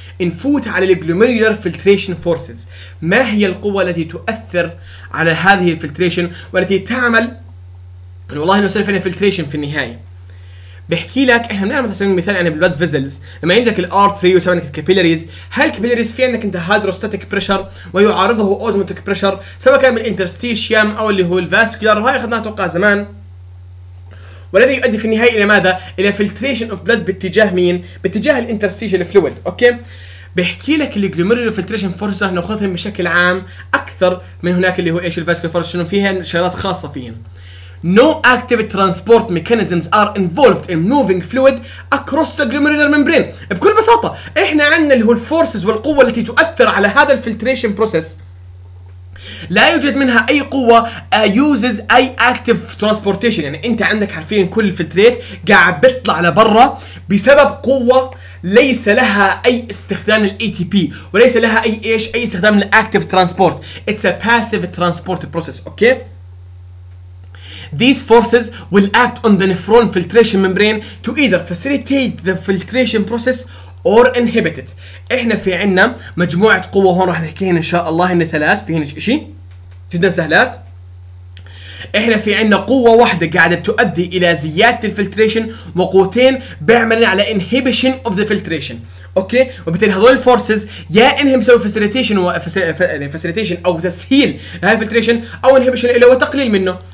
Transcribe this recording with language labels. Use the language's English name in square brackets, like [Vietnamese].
[Arabic] نفوت على الجلوميرولر فلتريشن فورسز، ما هي القوة التي تؤثر على هذه الفلتريشن والتي تعمل والله انه يصير في الفلتريشن في النهايه؟ بحكي لك احنا بنعرف مثلا مثال يعني بالبلد فيزلز لما عندك الارتري وسوي عندك الكابيلاريز، هل الكابيلاريز في عندك انت هيدروستاتيك بريشر ويعارضه اوزموتيك بريشر سواء كان بالانترستيشيام او اللي هو الفاسكولار، وهي اخذناها توقع زمان، والذي يؤدي في النهايه الى ماذا؟ الى [English] filtration of blood [Arabic] باتجاه مين؟ باتجاه الانترستيشيال فلويد. اوكي، بحكي لك الجلوميرولر فلتريشن فورس احنا ناخذهم بشكل عام اكثر من هناك اللي هو ايش الفاسكولار فورس شنو فيها شغلات خاصه فيهم. [English] No active transport mechanisms are involved in moving fluid across the glomerular membrane. [Arabic] بكل بساطة احنا عندنا اللي هو الفورسز والقوة التي تؤثر على هذا الفلتريشن بروسيس، لا يوجد منها اي قوة uses اي active transportation. يعني انت عندك حرفيا كل الفلتريت قاعد بيطلع لبرا بسبب قوة ليس لها اي استخدام الاي تي بي وليس لها اي ايش اي استخدام active transport. [English] It's a passive transport process. [Arabic] اوكي، [English] these forces will act on the nephron filtration membrane to either facilitate the filtration process or inhibit it. [Arabic] احنا في عنا مجموعة قوة هون راح نحكيهن ان شاء الله، هن ثلاث فيهن اشي جدا سهلات. احنا في عنا قوة واحدة قاعدة تؤدي الى زيادة الفلتريشن وقوتين بيعملن على [English] inhibition of the filtration. [Arabic] اوكي، وبالتالي هذول الفورسز يا انهم يسوي فاسيليتيشن فاسيليتيشن او تسهيل لهي الفلتريشن او انهبيشن له وتقليل منه.